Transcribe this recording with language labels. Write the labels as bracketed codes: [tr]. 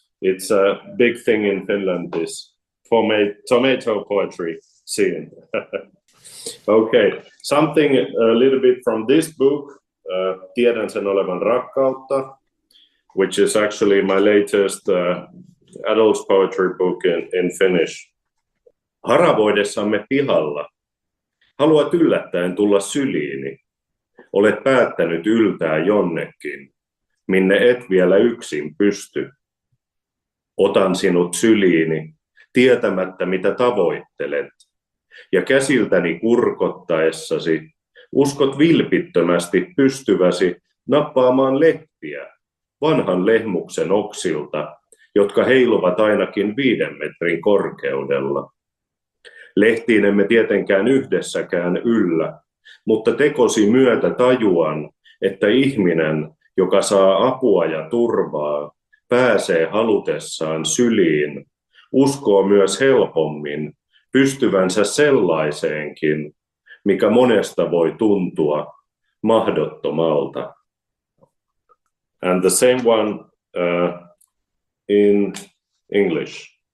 [en] It's a big thing in Finland, this tomato poetry scene. Okay, something a little bit from this book, Tiedän sen olevan rakkautta, which is actually my latest adult poetry book in Finnish. [fi] Haravoidessamme pihalla, haluat yllättäen tulla syliini. Olet päättänyt yltää jonnekin, minne et vielä yksin pysty. Otan sinut syliini, tietämättä mitä tavoittelet. Ja käsiltäni kurkottaessasi, uskot vilpittömästi pystyväsi nappaamaan leppiä vanhan lehmuksen oksilta, jotka heiluvat ainakin 5 metrin korkeudella. Lehtiin emme tietenkään yhdessäkään yllä, mutta tekosi myötä tajuan, että ihminen, joka saa apua ja turvaa, pääsee halutessaan syliin, uskoo myös helpommin pystyvänsä sellaiseenkin, mikä monesta voi tuntua mahdottomalta. [en] And the same one in English.